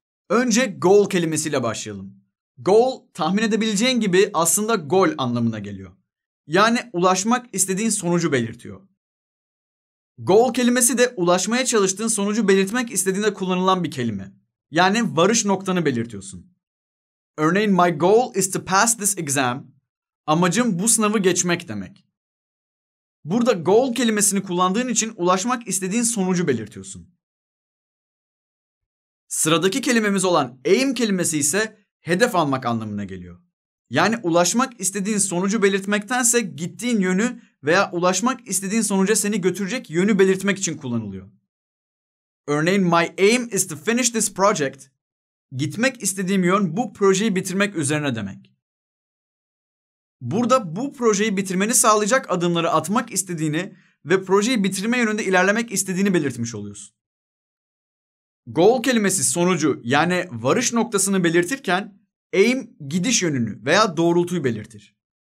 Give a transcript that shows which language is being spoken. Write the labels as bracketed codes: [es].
[tr] Önce goal kelimesiyle başlayalım. Goal, tahmin edebileceğin gibi aslında goal anlamına geliyor. Yani ulaşmak istediğin sonucu belirtiyor. Goal kelimesi de ulaşmaya çalıştığın sonucu belirtmek istediğinde kullanılan bir kelime. Yani varış noktanı belirtiyorsun. [en] Örneğin my goal is to pass this exam. [tr] Amacım bu sınavı geçmek demek. Burada goal kelimesini kullandığın için ulaşmak istediğin sonucu belirtiyorsun. Sıradaki kelimemiz olan aim kelimesi ise hedef almak anlamına geliyor. Yani ulaşmak istediğin sonucu belirtmektense gittiğin yönü veya ulaşmak istediğin sonuca seni götürecek yönü belirtmek için kullanılıyor. [en] Örneğin my aim is to finish this project. [tr] Gitmek istediğim yön bu projeyi bitirmek üzerine demek. Burada bu projeyi bitirmeni sağlayacak adımları atmak istediğini ve projeyi bitirme yönünde ilerlemek istediğini belirtmiş oluyorsun. Goal kelimesi sonucu yani varış noktasını belirtirken aim gidiş yönünü veya doğrultuyu belirtir.